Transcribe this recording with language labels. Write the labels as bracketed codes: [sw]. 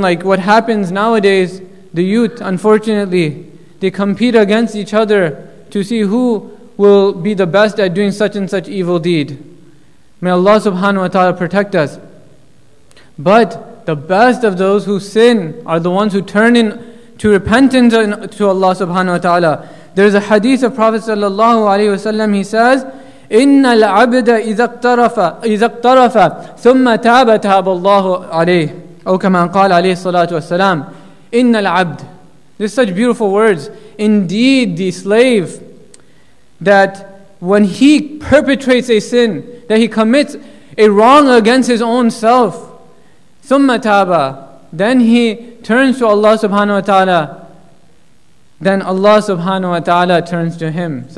[en] Like what happens nowadays, the youth, unfortunately, they compete against each other to see who will be the best at doing such and such evil deed. May Allah subhanahu wa ta'ala protect us. But the best of those who sin are the ones who turn in to repentance to Allah subhanahu wa ta'ala. There's a hadith of Prophet sallallahu alayhi wasallam. He says, [ar] إِنَّ الْعَبْدَ إِذَا اقْتَرَفَ ثُمَّ تَابَ تَابَ اللَّهُ عَلَيْهِ أو كما قال عليه الصلاة والسلام. إِنَّ الْعَبْدَ, [en] this is such beautiful words. Indeed, the slave, that when he perpetrates a sin, that he commits a wrong against his own self, [ar] ثُمَّ تَابَ, [en] then he turns to Allah subhanahu wa ta'ala, then Allah subhanahu wa ta'ala turns to him.